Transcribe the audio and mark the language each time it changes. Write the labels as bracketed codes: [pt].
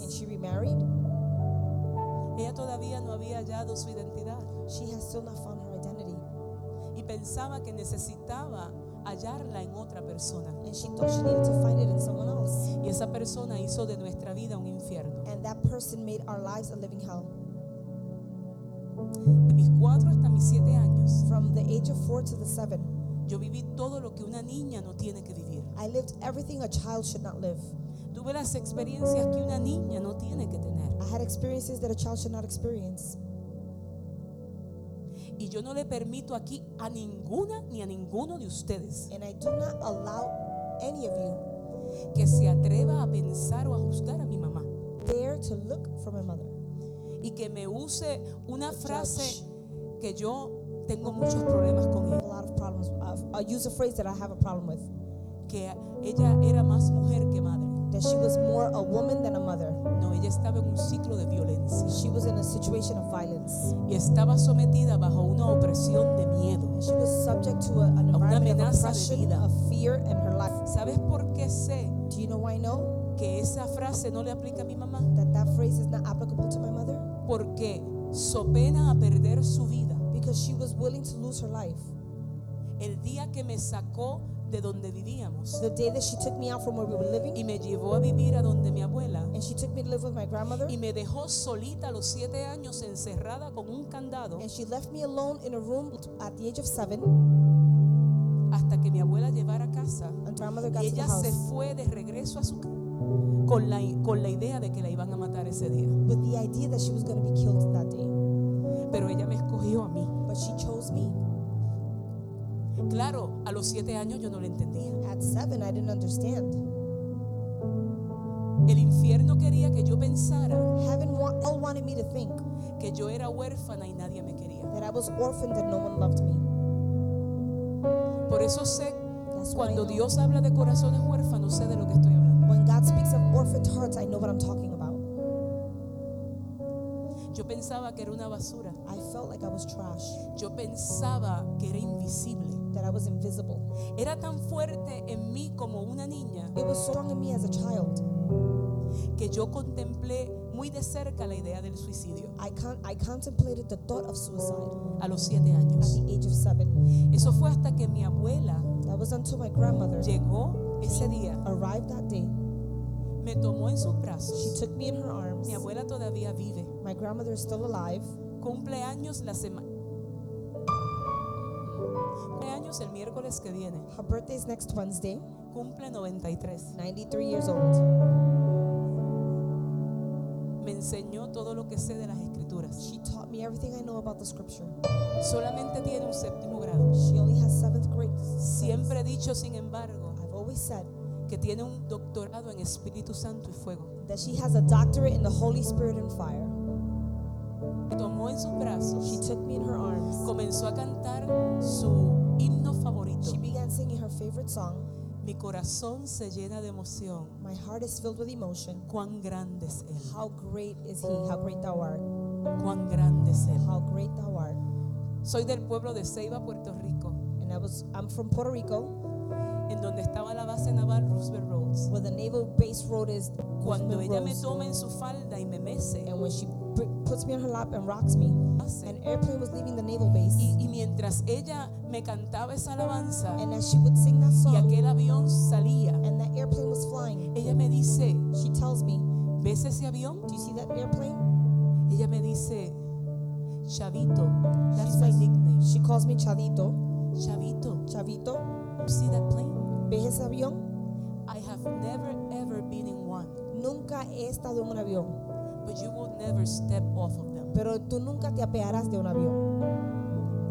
[en] And she remarried. [es] Ella todavía no había hallado su identidad. [en] She has still not found her identity. [es] Y pensaba que necesitaba hallarla en otra persona. [en] And she thought she needed to find it in someone else. [es] Y esa persona hizo de nuestra vida un infierno. [en] And that person made our lives a living hell. [es] De mis 4 hasta mis 7 años. [en] From the age of 4 to the 7. [es] Yo viví todo lo que una niña no tiene que vivir. [en] I lived everything a child should not live. [es] Tuve las experiencias que una niña no tiene que tener. [en] I had experiences that a child should not experience. [es] Y yo no le permito aquí a ninguna ni a ninguno de ustedes. [en] And I do not allow any of you [es] que se atreva a pensar o a juzgar a mi mamá. [en] Dare to look for my mother. [es] Y que me use una frase que yo tengo muchos problemas con ella. [en] A lot of problems. I'll use a phrase that I have a problem with. [es] Que ella era más mujer que madre. [en] That she was more a woman than a mother. [es] No, ella estaba en un ciclo de violencia. [en] She was in a situation of violence. [es] Y estaba sometida bajo una opresión de miedo. [en] And she was subject to an environment of oppression, [es] de [en] of fear in her life. [es] ¿Sabes por qué sé? [en] Do you know why I know? [es] Que esa frase no le aplica a mi mamá. [en] That phrase is not applicable to my mother. [es] Porque so pena a perder su vida. [en] Because she was willing to lose her life. [es] El día que me sacó de donde vivíamos. [en] The day that she took me out from where we were living. [es] Y me llevó a vivir a donde mi abuela. [en] And she took me to live with my grandmother. [es] Y me dejó solita a los 7 años encerrada con un candado. [en] And she left me alone in a room at the age of 7. [es] Hasta que mi abuela llevara a casa. [en] And grandmother got to the house. [es] Y ella se fue de regreso a su casa. Con la idea de que la iban a matar ese día. [en] With the idea that she was going to be killed that day. [es] Pero ella me escogió a mí. [en] But she chose me. [es] Claro, a los 7 años yo no lo entendía. [en] At 7 I didn't understand. [es] El infierno quería que yo pensara. [en] Heaven all wanted me to think. [es] Que yo era huérfana y nadie me quería. [en] That I was orphaned and no one loved me. [es] Por eso sé. That's cuando Dios habla de corazones huérfanos, sé de lo que estoy hablando. [en] When God speaks of orphaned hearts, I know what I'm talking about. [es] Yo pensaba que era una basura. [en] I felt like I was trash. [es] Yo pensaba que era invisible. [en] That I was invisible. [es] Era tan fuerte en mí como una niña. [en] It was strong in me as a child. [es] Que yo contemplé muy de cerca la idea del suicidio. [en] I contemplated the thought of suicide. [es] A los 7 años. [en] At the age of 7. [es] Eso fue hasta que mi abuela. [en] That was until my grandmother. [es] Llegó. Ese día, [en] arrived that day. [es] Me tomó en sus brazos. [en] She took me in her arms. [es] Mi abuela todavía vive. [en] My grandmother is still alive. [es] Cumple años la semana. Cumple años el miércoles que viene. [en] Her birthday is next Wednesday. [es] Cumple 93. [en] 93 years old. [es] Me enseñó todo lo que sé de las escrituras. [en] She taught me everything I know about the scripture. [es] Solamente tiene un séptimo grado. [en] She only has seventh grade. [es] Siempre he dicho, sin embargo, [en] said [es] que tiene un doctorado en Espíritu Santo y fuego. [en] That she has a doctorate in the Holy Spirit and fire. [es] Tomó en sus brazos. [en] She took me in her arms. [es] Comenzó a cantar su himno favorito. [en] She began singing her favorite song. [es] Mi corazón se llena de emoción. [en] My heart is filled with emotion. [es] Cuán grande es él. [en] How great is he? How great thou art. [es] Cuán grande es él. [en] How great thou art. [es] Soy del pueblo de Ceiba, Puerto Rico. [en] And I'm from Puerto Rico. [es] En donde estaba la base naval Roosevelt Roads. [en] Where the naval base road is. [es] Cuando ella [en] Roads. [es] Me toma en su falda y me mece. [en] And when she puts me on her lap and rocks me. An airplane was leaving the naval base. [es] Y mientras ella me cantaba esa alabanza. [en] And as she would sing that song. [es] Y aquel avión salía. [en] And that airplane was flying. [es] Ella me dice. [en] She tells me. [es] ¿Ves ese avión? [en] Do you see that airplane? [es] Ella me dice. Chavito. [en] That's my nickname. She calls me Chavito. Chavito. Chavito. See that plane? [es] ¿Ves ese avión? [en] I have never ever been in one. [es] Nunca he estado en un avión. [en] But you will never step off of them. [es] Pero tú nunca te apearás de un avión.